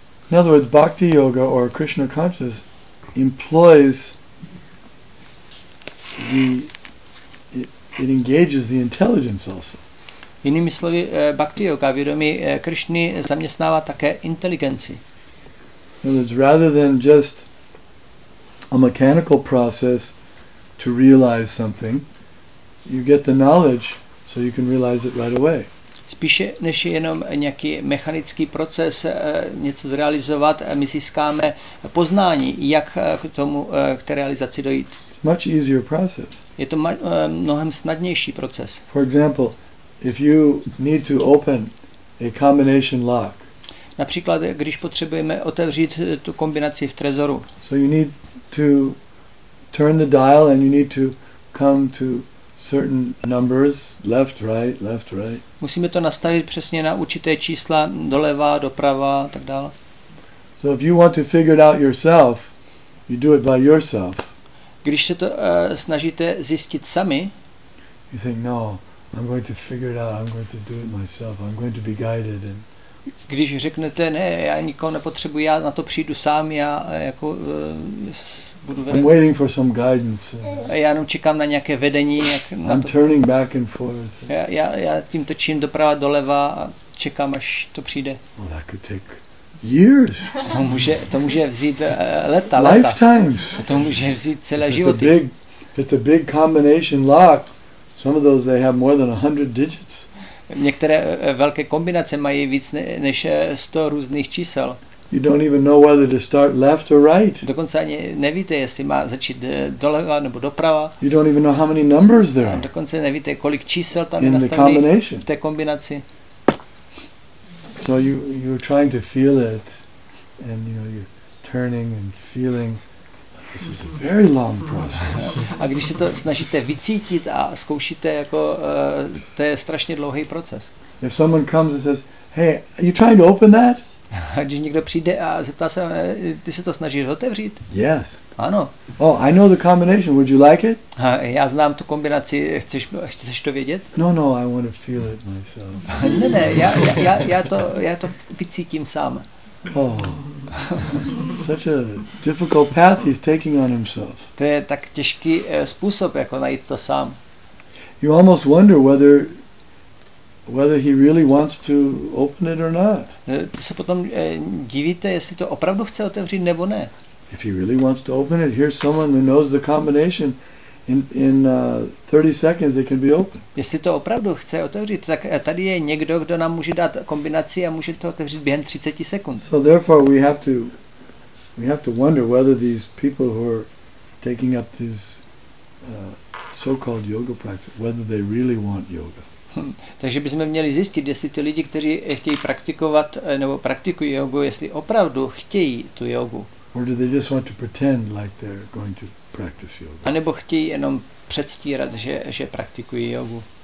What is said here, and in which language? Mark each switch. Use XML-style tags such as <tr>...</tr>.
<en>In other words, bhakti yoga or Krishna consciousness employs it engages the intelligence also.</en> <cs>Jinými slovy, bhakti yoga, vědomí Kršny, zaměstnává také inteligenci.</cs> <en>In other words, rather than just a mechanical process to realize something, you get the knowledge so you can realize it right away.</en> <cs>Spíše než jenom nějaký mechanický proces něco zrealizovat, my získáme poznání, jak k tomu, k té realizaci dojít.</cs> <en>It's much easier process.</en> <cs>Je to mnohem snadnější proces.</cs> <en>For example, if you need to open a combination lock.</en> <cs>Například, když potřebujeme otevřít tu kombinaci v trezoru.</cs> <en>So you need to turn the dial and you need to come to certain numbers, left, right, left, right.</en> <cs>Musíme to nastavit přesně na určité čísla, doleva, doprava, tak dále.</cs> <en>So if you want to figure it out yourself, you do it by yourself.</en> <cs>Když se to snažíte zjistit sami,</cs> <en>you think, no, I'm going to figure it out. I'm going to do it myself. I'm going to be guided. And</en> <cs>když řeknete ne, já nikoho nepotřebuji, já na to přijdu sám, já jako budu vedený.</cs> <en>I'm waiting for some guidance.</en> <cs>Já jenom čekám na nějaké vedení.</cs> <en>I'm turning back and forth.</en> <cs>Já tím točím doprava doleva a čekám, až to přijde.</cs> <en>Well, that could take years.</en> <cs>To může vzít leta.</cs> <en>Lifetimes.</en> <cs>To může vzít celé životy.</cs> <en>It's a big combination lock. Some of those they have more than 100 digits.</en> <cs>Některé velké kombinace mají víc než 100 různých čísel.</cs> <en>You don't even know whether to start left or right.</en> <cs>Dokonce ani nevíte, jestli má začít doleva nebo doprava.</cs> <en>You don't even know how many numbers there are.</en> <cs>Dokonce nevíte, kolik čísel tam je nastavených v té kombinaci.</cs> <en>So you're trying to feel it, and you know you're turning and feeling. This is a very long process.</en> <cs>A když se to snažíte vycítit a zkoušíte jako to je strašně dlouhý proces.</cs> <en>If someone comes and says, "Hey, are you trying to open that?"</en> <cs>A když někdo přijde a zeptá se, ty se to snažíš otevřít?</cs> <en>Yes.</en> <cs>Ano.</cs> <en>Oh, I know the combination. Would you like it?</en> <cs>A já znám tu kombinaci. Chceš to vědět?</cs> <en>No, I want to feel it myself.</en> <cs>Ne, já to vycítím sám.</cs> <en>Oh. Such a difficult path he's taking on himself.</en> <cs>To je tak těžký způsob jako najít to sám.</cs> <en>You almost wonder whether he really wants to open it or not.</en> <cs>To se potom divíte, jestli to opravdu chce otevřít nebo ne.</cs> <en>If he really wants to open it, here's someone who knows the combination. In 30 seconds they can be open.</en> <cs>Jestli to opravdu chce otevřít, tak tady je někdo, kdo nám může dát kombinaci a může to otevřít během 30 sekund.</cs> <en>So therefore we have to wonder whether these people who are taking up these so-called yoga practice, whether they really want yoga.</en> <cs>Takže bychom měli zjistit, jestli ty lidi, kteří chtějí praktikovat nebo praktikují jogu, jestli opravdu chtějí tu jogu.</cs> <en>Or do they just want to pretend like they're going to practice yoga?</en> <cs>A nebo chtějí jenom předstírat, že praktikují jogu.</cs>